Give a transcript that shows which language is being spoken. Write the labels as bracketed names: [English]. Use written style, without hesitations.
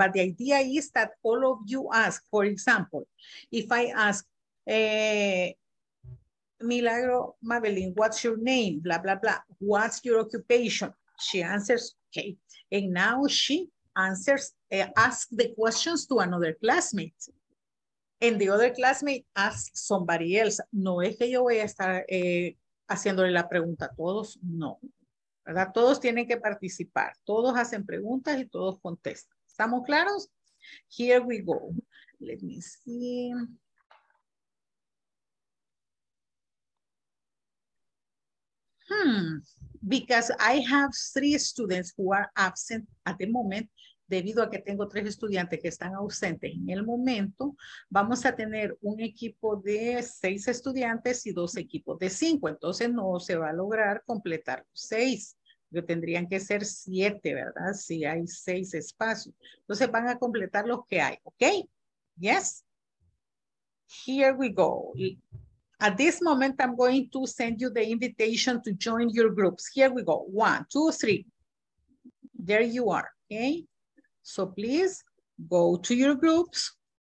[English] But the idea is that all of you ask, for example, if I ask, Milagro Mabelin, what's your name? Blah, blah, blah. What's your occupation? She answers, okay. And now she answers, asks the questions to another classmate. And the other classmate asks somebody else. [Spanish] No es que yo voy a estar haciéndole la pregunta a todos, no. ¿Verdad? Todos tienen que participar. Todos hacen preguntas y todos contestan. ¿Estamos claros? [English] Here we go. Let me see. Because I have three students who are absent at the moment, [Spanish] debido a que tengo tres estudiantes que están ausentes en el momento, vamos a tener un equipo de seis estudiantes y dos equipos de cinco. Entonces no se va a lograr completar los seis, pero tendrían que ser 7, ¿verdad? Si hay 6 espacios. Entonces van a completar los que hay, ¿ok? [English] Yes. Here we go. At this moment, I'm going to send you the invitation to join your groups. Here we go. 1, 2, 3. There you are, okay? So please go to your groups.